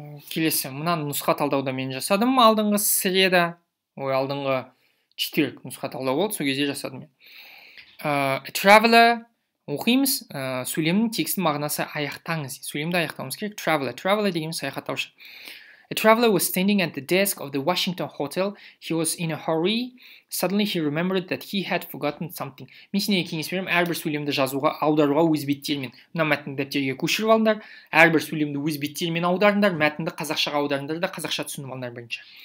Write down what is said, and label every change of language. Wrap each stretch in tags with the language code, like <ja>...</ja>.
<kk>Келесі, мынаны нұсқа талдауда мен жасадым алдыңғы среда. Ой, алдыңғы четверг нұсқа талдау болды, сол кезде жасадым мен.</kk> <en>A traveler,</en> <kk>оқимыз, сөйлемнің текстінің мағынасы аяқтаңыз. Сөйлемді аяқтауымыз керек. Traveler, traveler деген саяхаттаушы.</kk> <en>A traveler was standing at the desk of the Washington Hotel. He was in a hurry. Suddenly he remembered that he had forgotten something.</en> <kk>Мен сенеге кеңес берем, әрбір сөйлемді жазуға, аударуға өз беттерімен. Мына мәтінді дәптерге көшіріп алыңдар. Әрбір сөйлемді өз беттерімен аударыңдар. Мәтінді қазақшаға аударыңдар да қазақша түсініп алыңдар бірінші.</kk>